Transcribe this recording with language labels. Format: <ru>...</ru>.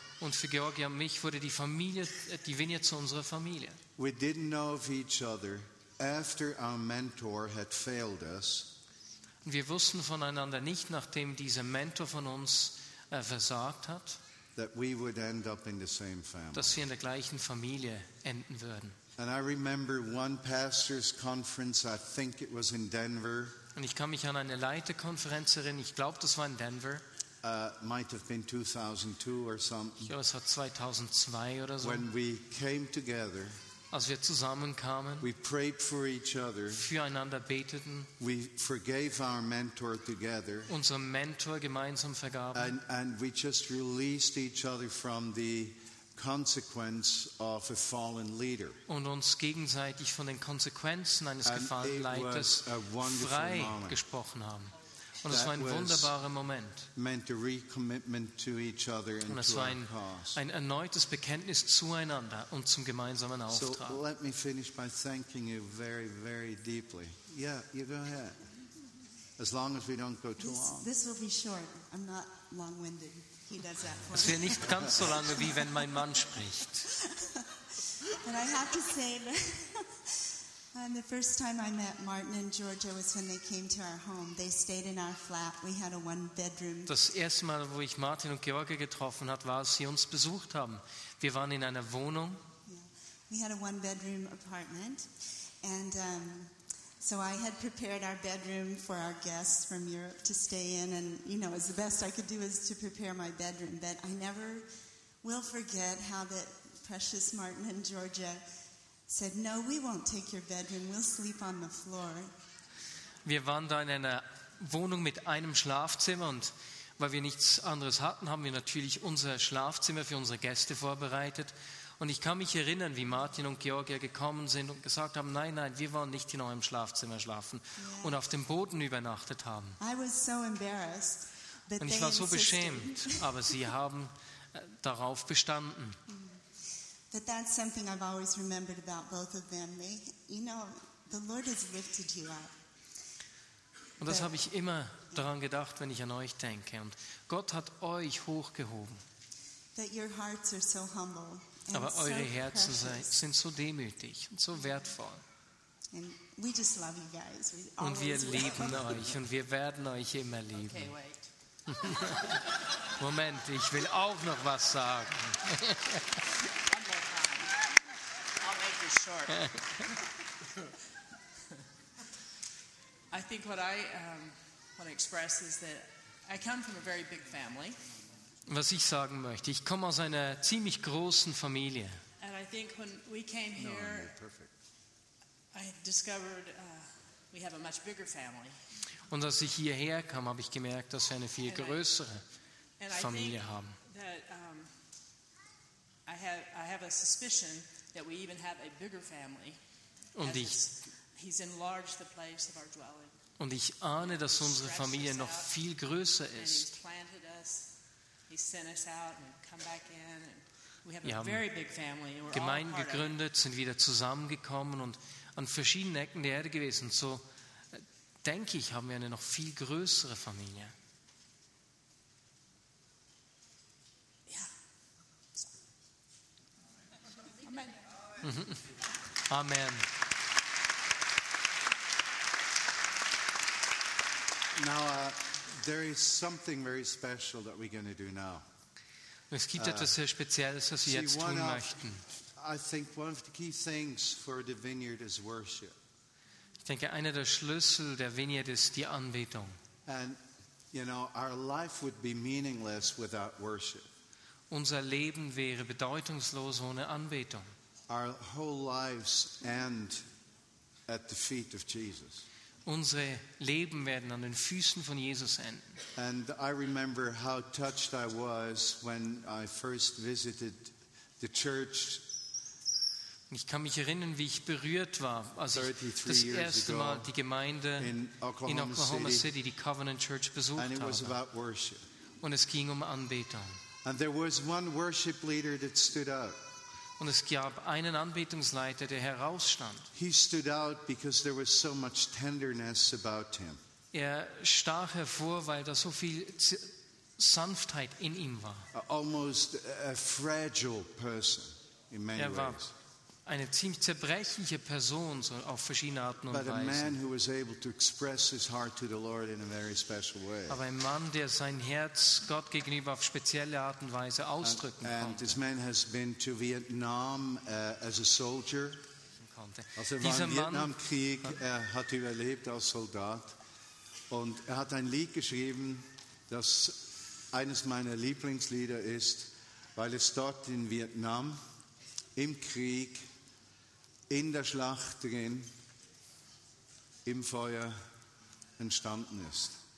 <de>Und für Georgia und mich wurde die Familie, die Vineyard zu unserer Familie.</de> <en>We didn't know of each other after our mentor had failed us.</en> <de>Und wir wussten voneinander nicht, nachdem dieser Mentor von uns versagt hat,</de> <en>that we would end up in the same family.</en> <de>Dass wir in der gleichen Familie enden würden.</de> <en>And I remember one pastor's conference, I think it was in Denver.</en> <de>Und ich kann mich an eine Leiterkonferenz erinnern, ich glaube, das war in Denver.</de> <en>Might have been 2002 or something.</en> <de>Ja, es war 2002 oder so.</de> <en>When we came together,</en> <de>als wir zusammenkamen,</de> <en>we prayed for each other,</en> <de>füreinander beteten,</de> <en>we forgave our mentor together,</en> <de>unserem Mentor gemeinsam vergaben,</de> <en>and we just released each other from the consequence of a fallen leader.</en> <de>Und uns gegenseitig von den Konsequenzen eines gefallenen Leiters frei gesprochen haben. Und es war ein wunderbarer Moment.</de> <en>Meant a recommitment to each other and</en> <de>und es</de> <en>to</en> <de>war ein erneutes Bekenntnis zueinander und zum gemeinsamen Auftrag.</de> <en>So let me finish by thanking you very, very deeply. Yeah, you go ahead. As long as we don't go too long. This will be short. I'm not long-winded. He does that for me. Es wird nicht ganz so lange wie wenn mein Mann spricht. And I have to say that the first time I met Martin and Georgia was when they came to our home. They stayed in our flat. We had a one-bedroom.</en> <de>Das erste Mal, wo ich Martin und Georgia getroffen hat, war, als sie uns besucht haben. Wir waren in einer Wohnung.</de> <en>We had a one-bedroom apartment, and so I had prepared our bedroom for our guests from Europe to stay in, and you know, as the best I could do is to prepare my bedroom. But I never will forget how that precious Martin and Georgia said, "No, we won't take your bedroom. We'll sleep on the floor."</en> <de>Wir waren da in einer Wohnung mit einem Schlafzimmer, und weil wir nichts anderes hatten, haben wir natürlich unser Schlafzimmer für unsere Gäste vorbereitet. Und ich kann mich erinnern, wie Martin und Georgia gekommen sind und gesagt haben, nein, nein, wir wollen nicht in eurem Schlafzimmer schlafen und auf dem Boden übernachtet haben.</de> <en>I was so embarrassed, but</en> <de>und ich war so beschämt, aber sie haben darauf bestanden.</de> <en>But that's something I've always remembered about both of them. They, you know, the Lord has lifted you up.</en> <de>Und das habe ich immer daran gedacht, wenn ich an euch denke. Und Gott hat euch hochgehoben.</de> <en>That your hearts are so humble.</en> <de>Aber eure so Herzen sind so demütig und so wertvoll.</de> <en>And we just love you guys. We</en> <de>und wir lieben</de> <en>love.</en> <de>Euch und wir werden euch immer lieben.</de> <en>Okay, wait.</en> <de>Moment, ich will auch noch was sagen.</de> <en>One more time. I'll make it short. I think what I express is that I come from a very big family.</en> <de>Was ich sagen möchte, ich komme aus einer ziemlich großen Familie.</de> <en>And I think when we came here, no, no, perfect. I discovered we have a much bigger family.</en> <de>Und als ich hierher kam, habe ich gemerkt, dass wir eine viel größere Familie haben.</de> <en>I have a suspicion that we even have a bigger family.</en> <de>Und ich</de> <en>he's enlarged the place of our dwelling.</en> <de>Und ich ahne, dass unsere Familie noch viel größer ist.</de> <en>He sent us out and come back in, and we have a very big family.</en> <de>Wir haben Gemeinden gegründet, sind wieder zusammengekommen und an verschiedenen Ecken der Erde gewesen. So denke ich, haben wir eine noch viel größere Familie. Ja. Amen. Amen.</de> <en>Now, there is something very special that we're going to do now.</en> <de>Es gibt etwas sehr Spezielles, was wir jetzt tun möchten.</de> <en>I think one of the key things for the vineyard is worship.</en> <de>Ich denke, einer der Schlüssel der Vineyard ist die Anbetung.</de> <en>And you know, our life would be meaningless without worship.</en> <de>Unser Leben wäre bedeutungslos ohne Anbetung.</de> <en>Our whole lives end at the feet of Jesus.</en> <de>Unsere Leben werden an den Füßen von Jesus enden.</de> <en>And I remember how touched I was when I first visited the church.</en> <de>Ich kann mich erinnern, wie ich berührt war, als ich das erste Mal die Gemeinde in Oklahoma City, die Covenant Church, besucht habe.</de> <en>And it was about worship.</en> <de>Und es ging um Anbetung.</de> <en>And there was one worship leader that stood out.</en> <de>Und es gab einen Anbetungsleiter, der herausstand.</de> <en>He stood out because there was so much tenderness about him.</en> <de>Er stach hervor, weil da so viel Sanftheit in ihm war.</de> <en>Almost a fragile person in many ways.</en> <de>Er war</de> <en>ways.</en> <de>Eine ziemlich zerbrechliche Person, so auf verschiedene Arten und</de> <en>But</en> <de>Weisen.</de> <en>But a man who was able to express his heart to the Lord in a very special way.</en> <de>Aber ein Mann, der sein Herz Gott gegenüber auf spezielle Art und Weise ausdrücken</de> <en>and</en> <de>konnte.</de> <en>And this man has been to Vietnam as a soldier.</en> <de>Also im Vietnamkrieg hat überlebt als Soldat. Und hat ein Lied geschrieben, das eines meiner Lieblingslieder ist, weil es dort in Vietnam im Krieg, in der Schlacht drin, im Feuer entstanden ist.</de>